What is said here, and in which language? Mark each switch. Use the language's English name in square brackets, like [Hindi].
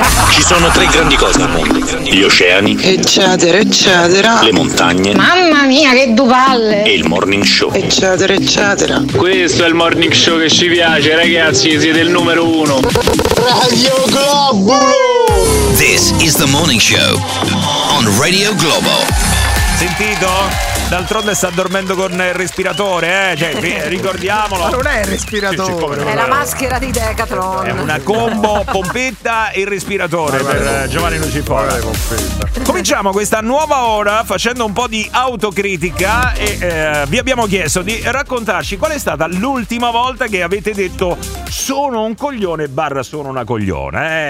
[Italian] Ci sono tre grandi cose al mondo: gli oceani, eccetera, le montagne, mamma mia che duvalle, e il morning show, eccetera. Questo è il morning show che ci piace, ragazzi, siete il numero uno. Radio Globo. [English] This is the morning show on Radio Globo. [Italian] Sentito? D'altronde sta dormendo con il respiratore, ricordiamolo. Ma non è il respiratore, è la maschera di Decathlon. È una combo pompetta e respiratore Giovanni Lucifora. Cominciamo questa nuova ora facendo un po' di autocritica e vi abbiamo chiesto di raccontarci qual è stata l'ultima volta che avete detto sono un coglione / sono una cogliona.